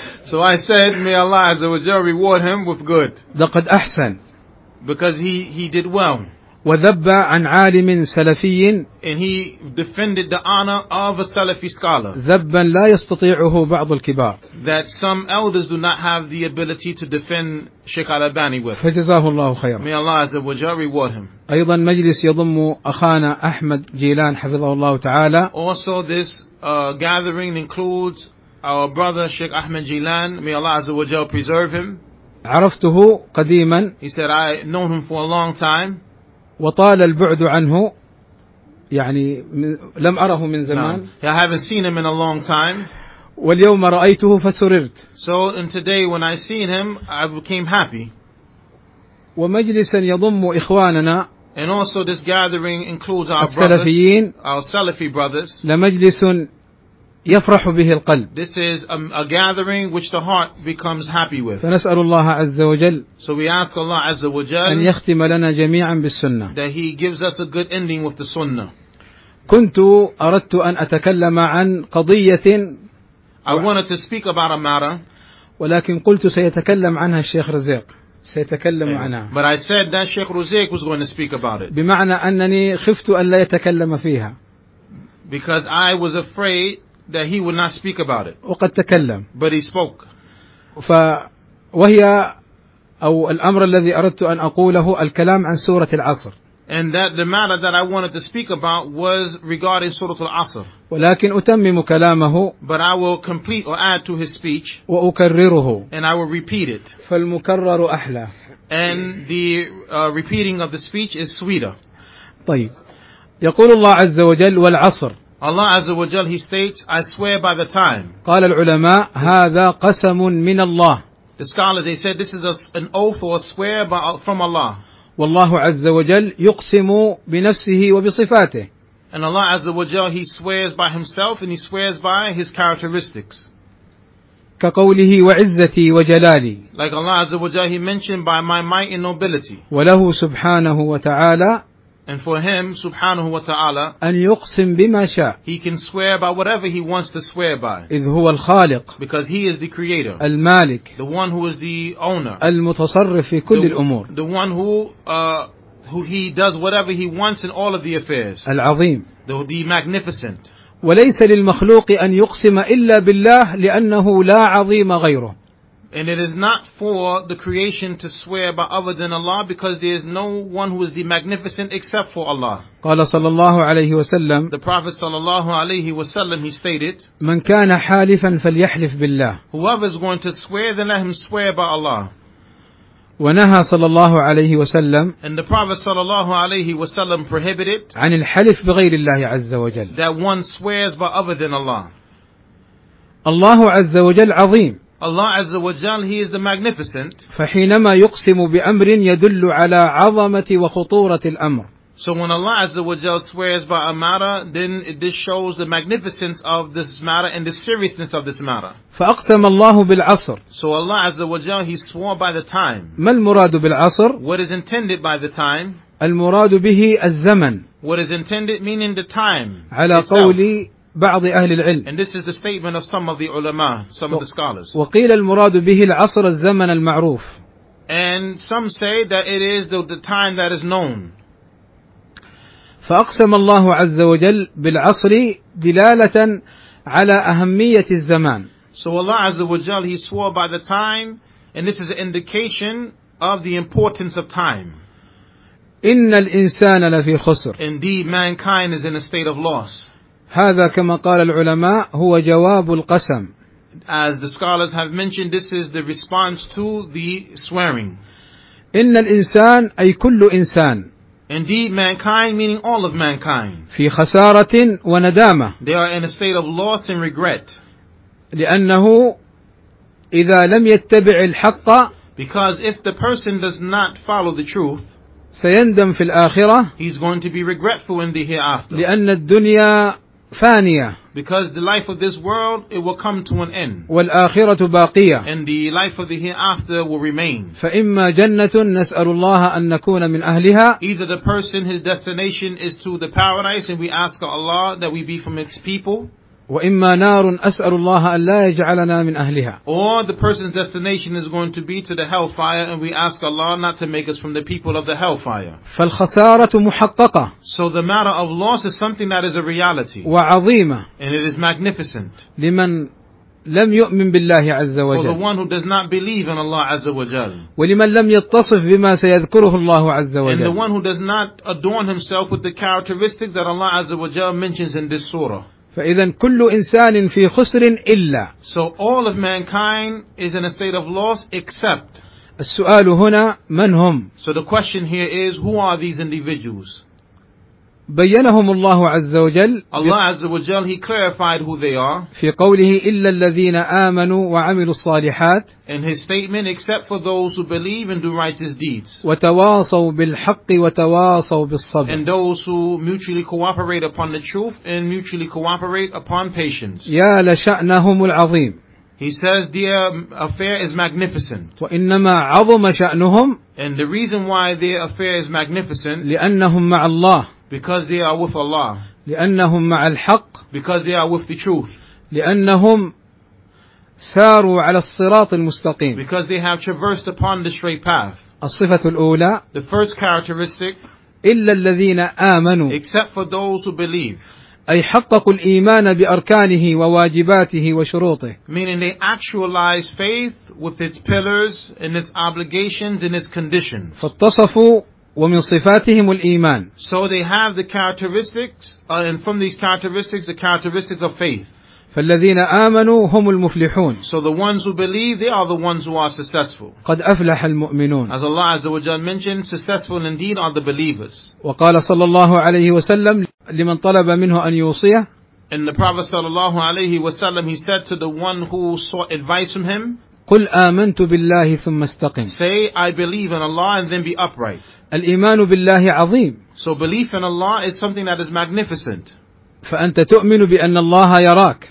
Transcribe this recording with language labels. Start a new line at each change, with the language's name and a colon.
English: So I said, may Allah Azza wa Jalla reward him with good.
Arabic: لقد أحسن.
English: Because he did well.
Arabic: وذب عن عالم سلفي.
English: And he defended the honor of a Salafi scholar.
Arabic: ذبا لا يستطيعه بعض الكبار.
English: That some elders do not have the ability to defend Sheikh Al-Albani with.
Arabic: فجزاه الله خيرا.
English: May Allah Azza wa Jalla reward him.
Arabic: أيضا مجلس يضم أخانا أحمد جيلان حفظه الله تعالى.
English: Also this gathering includes our brother Sheikh Ahmed Jilan. May Allah Azza wa Jal preserve him.
Arabic: عرفته قديما.
English: He said, I known him for a long time.
Arabic: وطال البعد عنه. يعني لم أره من زمان.
English: No. I haven't seen him in a long time.
Arabic: واليوم رأيته فسررت.
English: So and today when I seen him, I became happy.
Arabic: ومجلسا يضم إخواننا.
English: And also this gathering includes our
Arabic: السلفيين.
English: Brothers, our Salafi brothers.
Arabic: لمجلس يفرح به القلب.
English: This is a gathering which the heart becomes happy with.
Arabic: فنسأل الله عز وجل.
English: So we ask Allah
Arabic: عز وجل. أن يختم لنا جميعا بالسنة.
English: That he gives us a good ending with the Sunnah.
Arabic: كنت أردت أن أتكلم عن قضية.
English: I wanted to speak about a matter.
Arabic: ولكن قلت سيتكلم عنها الشيخ رزيق. سيتكلم عنها.
English: But I said that Sheikh Ruzayk was going to speak about it.
Arabic: بمعنى أنني خفت أن لا يتكلم فيها.
English: Because I was afraid that he would not speak about it.
Arabic: وقد تكلم.
English: But he spoke.
Arabic: فوهي أو الأمر الذي أردت أن أقوله الكلام عن سورة العصر.
English: And that the matter that I wanted to speak about was regarding Surah Al-Asr.
Arabic: ولكن أتمم كلامه.
English: But I will complete or add to his speech.
Arabic: وأكرره.
English: And I will repeat it.
Arabic: فالمكرر أحلى.
English: And the repeating of the speech is sweeter.
Arabic: طيب. يقول الله عز وجل والعصر.
English: Allah Azza wa Jal, he states, I swear by the time.
Arabic: قال العلماء هذا قسم من الله.
English: The scholars, they said, this is an oath or a swear from Allah.
Arabic: والله عز وجل يقسم بنفسه وبصفاته.
English: And Allah Azza wa Jal, he swears by himself and he swears by his characteristics.
Arabic: كقوله وعزتي وجلالي.
English: Like Allah Azza wa Jal, he mentioned by my might and nobility.
Arabic: وله سبحانه وتعالى.
English: And for him, subhanahu wa ta'ala,
Arabic: أن يقسم بما شاء.
English: He can swear by whatever he wants to swear by.
Arabic: إذ هو الخالق.
English: Because he is the creator.
Arabic: المالك.
English: The one who is the owner.
Arabic: المتصرف في كل الأمور.
English: The one who he does whatever he wants in all of the affairs.
Arabic: العظيم.
English: The magnificent.
Arabic: وليس للمخلوق أن يقسم إلا بالله لأنه لا عظيم غيره.
English: And it is not for the creation to swear by other than Allah because there is no one who is the magnificent except for Allah.
Arabic: قال صلى الله عليه وسلم.
English: The Prophet
Arabic: صلى الله عليه وسلم
English: he stated.
Arabic: من كان حالفا فليحلف بالله.
English: Whoever is going to swear, then let him swear by Allah.
Arabic: ونهى صلى الله عليه وسلم.
English: And the Prophet
Arabic: صلى الله عليه وسلم
English: prohibited.
Arabic: عن الحلف بغير الله عز وجل.
English: That one swears by other than Allah.
Arabic: الله عز وجل عظيم.
English: Allah Azza wa Jal, He is the Magnificent.
Arabic: فحينما يقسم بأمر يدل على عظمة وخطورة الأمر.
English: So when Allah Azza wa Jal swears by a matter, then this shows the magnificence of this matter and the seriousness of this matter.
Arabic: فأقسم الله بالعصر.
English: So Allah Azza wa Jal, He swore by the time.
Arabic: ما المراد بالعصر؟
English: What is intended by the time?
Arabic: المراد به الزمن.
English: What is intended meaning the time.
Arabic: على قولي بعض أهل العلم.
English: And this is the statement of some of the علماء, some of the scholars.
Arabic: وقيل المراد به العصر الزمن المعروف.
English: And some say that it is the time that is known.
Arabic: فأقسم الله عز وجل بالعصر دلالة على أهمية الزمان.
English: So Allah
Arabic: عز وجل
English: he swore by the time, and this is an indication of the importance of time.
Arabic: إن الإنسان لفي خسر.
English: Indeed, mankind is in a state of loss.
Arabic: هذا كما قال العلماء هو جواب القسم.
English: As the scholars have mentioned, this is the response to the swearing.
Arabic: إن الإنسان أي كل إنسان.
English: Indeed, mankind meaning all of mankind.
Arabic: في خسارة وندامة.
English: They are in a state of loss and regret.
Arabic: لأنه إذا لم يتبع الحق.
English: Because if the person does not follow the truth.
Arabic: سيندم في الآخرة.
English: He's going to be regretful in the hereafter.
Arabic: لأن الدنيا فانية.
English: Because the life of this world, it will come to an end.
Arabic: والآخرة باقية.
English: And the life of the hereafter will remain.
Arabic: فإما جنة نسأل الله أن نكون من أهلها.
English: Either the person, his destination is to the paradise, and we ask Allah that we be from its people.
Arabic: وإما نار أسأل الله أن لا يجعلنا من أهلها.
English: Or the person's destination is going to be to the hellfire, and we ask Allah not to make us from the people of the hellfire.
Arabic: فالخسارة محققة.
English: So the matter of loss is something that is a reality.
Arabic: وعظيمة.
English: And it is magnificent.
Arabic: لمن لم يؤمن بالله عز وجل.
English: For the one who does not believe in Allah
Arabic: عز وجل. ولمن لم يتصف بما سيذكره الله عز وجل.
English: And the one who does not adorn himself with the characteristics that Allah
Arabic: عز وجل
English: mentions in this surah.
Arabic: فإذا كل إنسان في خسر إلا.
English: So all of mankind is in a state of loss except.
Arabic: السؤال هنا من هم.
English: So the question here is who are these individuals.
Arabic: بينهم الله عز وجل.
English: Allah
Arabic: عز وجل
English: he clarified who they are.
Arabic: في قوله إلا الذين آمنوا وعملوا الصالحات.
English: In his statement except for those who believe and do righteous deeds.
Arabic: وتواصوا بالحق وتواصوا بالصبر.
English: And those who mutually cooperate upon the truth and mutually cooperate upon patience.
Arabic: يا لشأنهم العظيم.
English: He says their affair is magnificent.
Arabic: وإنما عظم شأنهم.
English: And the reason why their affair is magnificent.
Arabic: لأنهم مع الله.
English: Because they are with Allah.
Arabic: لأنهم مع الحق.
English: Because they are with the truth.
Arabic: لأنهم ساروا على الصراط المستقيم.
English: Because they have traversed upon the straight path.
Arabic: الصفة الأولى.
English: The first characteristic.
Arabic: إلا الذين آمنوا.
English: Except for those who believe.
Arabic: أي حققوا الإيمان بأركانه وواجباته وشروطه.
English: Meaning they actualize faith with its pillars and its obligations and its conditions.
Arabic: فاتصفوا ومن صفاتهم الإيمان.
English: So they have the characteristics, and from these characteristics, the characteristics of faith.
Arabic: فالذين آمنوا هم المفلحون.
English: So the ones who believe, they are the ones who are successful.
Arabic: قد أفلح المؤمنون.
English: As Allah Azza wa Jalla mentioned, successful indeed are the believers.
Arabic: وقال صلى الله عليه وسلم لمن طلب منه أن يوصيه.
English: And the Prophet
Arabic: صلى الله عليه وسلم,
English: he said to the one who sought advice from him.
Arabic: قل آمنت بالله ثم استقم.
English: Say, I believe in Allah and then be upright.
Arabic: الإيمان بالله عظيم.
English: So belief in Allah is something that is magnificent.
Arabic: فأنت تؤمن بأن الله يراك.